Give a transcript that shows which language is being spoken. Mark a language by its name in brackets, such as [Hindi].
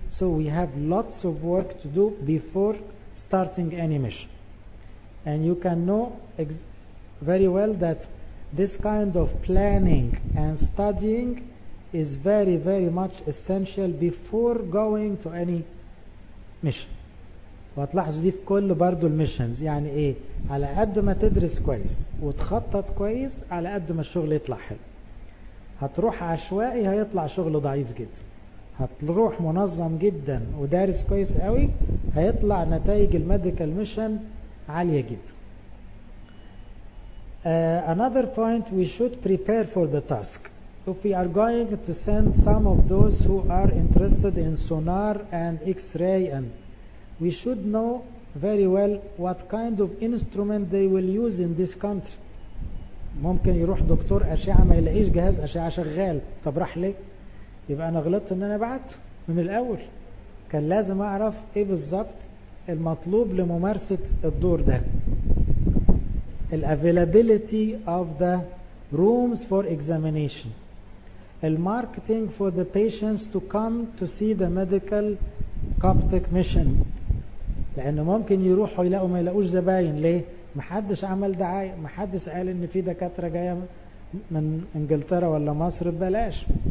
[English] So we have lots of work to do before starting any mission. And you can know very well that this kind of planning and studying is very, very much essential before going to any mission. [Arabic] وتلاحظوا دي في كل برضو الميشنز, يعني ايه؟ على قد ما تدرس كويس وتخطط كويس على قد ما الشغل يطلع حلو. هتروح عشوائي هيطلع شغل ضعيف جدا, هتروح منظم جدا ودارس كويس قوي هيطلع نتائج الميديكال ميشن عالية جدا. [English] Another point, we should prepare for the task. If we are going to send some of those who are interested in sonar and x-ray, and we should know very well what kind of instrument they will use in this country. [Arabic] ممكن يروح دكتور أشعة ما يلاقيش جهاز أشعة شغال, طب راح ليه؟ يبقى أنا غلطت إن أنا بعته من الأول. كان لازم أعرف إيه بالظبط المطلوب لممارسة الدور ده. [English] Availability of the rooms for examination. Marketing for the patients to come to see the medical Coptic mission. [Arabic] لأنه ممكن يروحوا يلاقوا ما يلاقوش زباين, ليه؟ محدش عمل دعاية, محدش قال ان في دكاترة جاية من انجلترا ولا مصر ببلاش.